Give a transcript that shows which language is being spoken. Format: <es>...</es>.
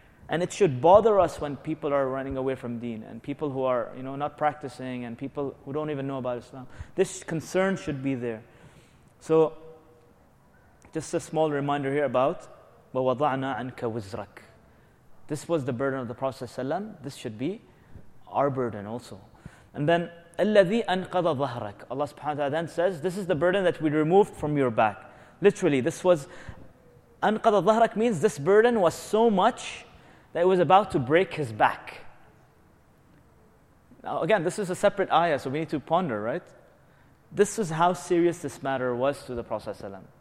<en>And it should bother us when people are running away from deen and people who are, you know, not practicing and people who don't even know about Islam. This concern should be there. So, just a small reminder here about</en> <ar>وَوَضَعْنَا عَنْكَ وِزْرَكَ.</ar> <en>This was the burden of the Prophet ﷺ. This should be our burden also. And then</en> <ar>الَّذِي أَنْقَضَ ظَهْرَكَ.</ar> <en>Allah subhanahu wa ta'ala then says, this is the burden that we removed from your back. Literally, this was</en> <ar>أَنْقَضَ ظَهْرَكَ</ar> <en>means this burden was so much that it was about to break his back. Now again, this is a separate ayah, so we need to ponder, right? This is how serious this matter was to the Prophet ﷺ.</en>